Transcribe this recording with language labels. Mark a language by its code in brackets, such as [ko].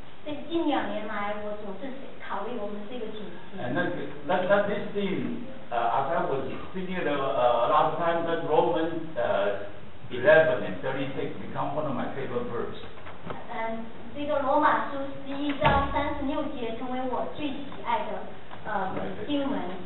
[zh] 这近两年来，我总是考虑我们这个主题。 [en] And that this theme, as I was thinking last time, that Romans. 11 and 36 become one of my favorite verses. [zh] 这个罗马书11章36节成为我最喜爱的经文。